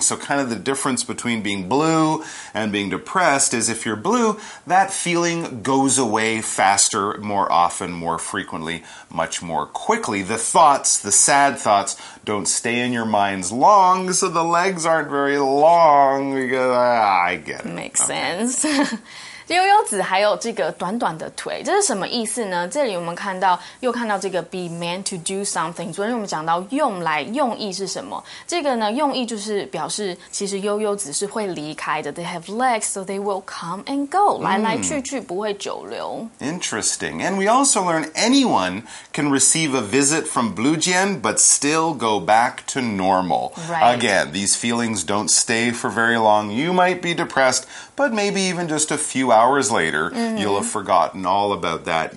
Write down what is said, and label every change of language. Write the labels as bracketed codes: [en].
[en] So kind of the difference between being blue and being depressed is if you're blue, that feeling goes away faster, more often, more frequently, much more quickly. The thoughts, the sad thoughts, don't stay in your minds long, so the legs aren't very long. I get it. Makes sense. [zh] 悠悠子还有这个短短的腿，这是什么意思呢？这里我们看到又看到这个 [en] be meant to do something。 [zh] 昨天我们讲到用来用意是什么？这个呢，用意就是表示其实悠悠子是会离开的。 [en] They have legs, so they will come and go.、Mm. [zh] 来来去去不会久留。 [en] Interesting. And we also learn anyone can receive a visit from Blue Jian, but still go back to normal. Right. Again, these feelings don't stay for very long. You might be depressed, but maybe even just a few hours later, you'll have forgotten all about that.